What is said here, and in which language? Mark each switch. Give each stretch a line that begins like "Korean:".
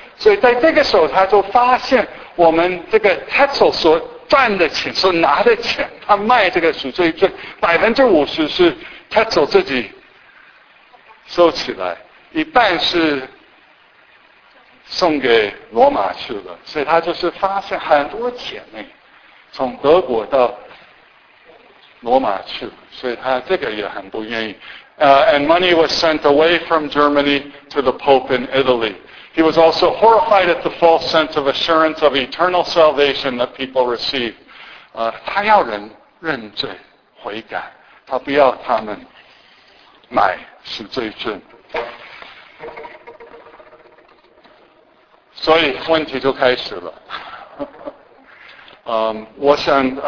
Chinese: 所以在这个时候他就发现我们这个 Tetzel 所赚的钱，所拿的钱，他卖这个赎罪券 50% 是 Tetzel 自己收起来，一半是送给罗马去了。所以他就是发现很多姐妹从德国到罗马去了，所以他这个也很不愿意。
English: And money was sent away from Germany to the Pope in Italy. He was also horrified at the false sense of assurance of eternal salvation that people received.
Chinese: 他要人认罪悔改，他不要他们买赎罪券。所以问题就开始了。我想